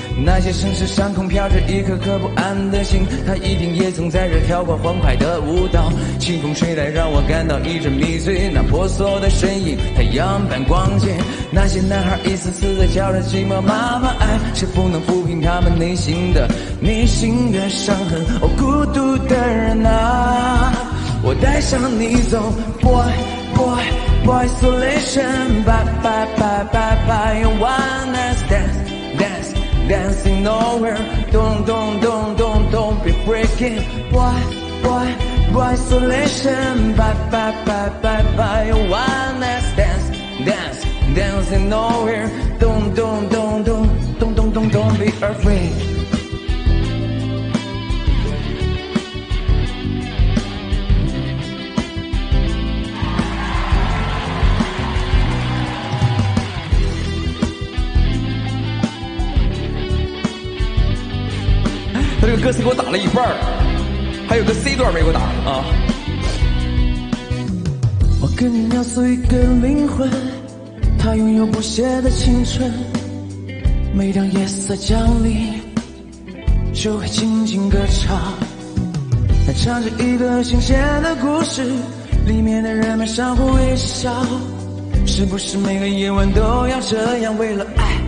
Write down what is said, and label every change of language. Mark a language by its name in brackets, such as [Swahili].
[Chinese] 那些城市上空飘着一颗颗不安的心，他一定也曾在这跳过欢快的舞蹈，清风吹来让我感到一阵迷醉，那婆娑的身影太阳般光洁，那些男孩一次次的叫着寂寞妈妈爱，却不能抚平他们内心的伤痕。哦，孤独的人啊，我带上你走， [English] Boy Boy Boy Isolation， Bye Bye Bye Bye Bye You wanna dance dance dancing nowhere， Don't don't don't don't don't be breaking， Boy Boy Boy Isolation， Bye Bye Bye Bye Bye You wanna dance dance dancing nowhere， Don't don't don't don't don't don't don't don't be afraid [Chinese] 这个歌词给我打了一半，还有个 C 段没给我打啊！我跟你描述一个灵魂，他拥有不谢的青春，每当夜色降临就会轻轻歌唱，他唱着一个新鲜的故事，里面的人们相互微笑，是不是每个夜晚都要这样，为了爱